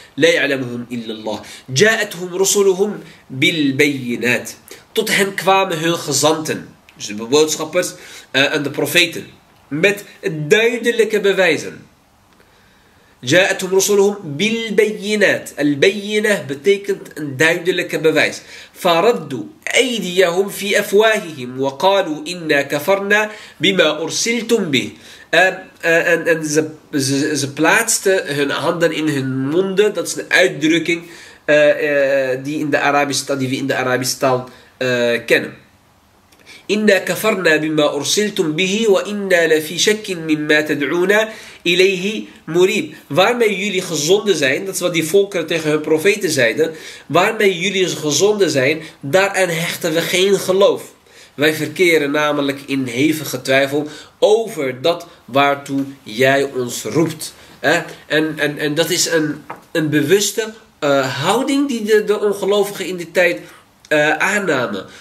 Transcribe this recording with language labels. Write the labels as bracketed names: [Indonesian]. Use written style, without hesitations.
[Arabic] لا يعلمهم إلا الله. جاءتهم رسلهم بالبينات. [Dutch] Tot hen kwamen hun gezanten. Dus de boodschappers en de profeten. Met duidelijke bewijzen. [Arabic] جاءتهم رسلهم بالبينات. [Dutch] البينة betekent een duidelijke bewijs. [Arabic] فردوا أيديهم في أفواههم وقالوا إنا كفرنا بما أرسلتم به. [Dutch] En ze plaatsten hun handen in hun monden. Dat is een uitdrukking die we in de Arabische taal kennen. [Arabic] إنا كفرنا بما أرسلتم به وإنا لفي شك مما تدعونا إليه مريب. [Dutch] Waarmee jullie gezonden zijn, dat is wat die volkeren tegen hun profeten zeiden, waarmee jullie gezonden zijn, daaraan hechten we geen geloof. Wij verkeren namelijk in hevige twijfel over dat waartoe jij ons roept. En dat is een bewuste houding die de ongelovigen in die tijd aannamen.